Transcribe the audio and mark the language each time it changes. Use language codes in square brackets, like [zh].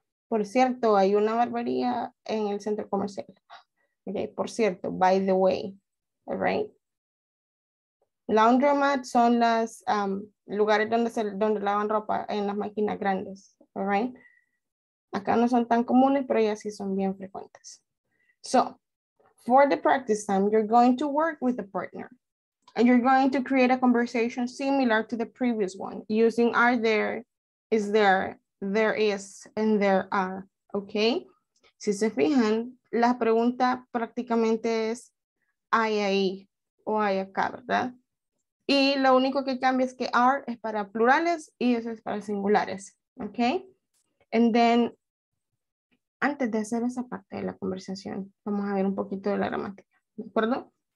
[es] Por cierto, hay una barbería en el centro comercial. Okay, por cierto, [en] by the way. [es] All right. Laundromat son los lugares donde lavan ropa en las máquinas grandes. All right. Acá no son tan comunes, pero ya sí son bien frecuentes. [en] So, for the practice time, you're going to work with a partner. And you're going to create a conversation similar to the previous one using are there, is there. There is and there are, okay? [es] Si se fijan, la pregunta prácticamente es hay ahí o hay acá, ¿verdad? Y lo único que cambia es que are es para plurales y eso es para singulares, okay? And then, antes de hacer esa parte de la conversación, vamos a ver un poquito de la gramática, ¿de acuerdo?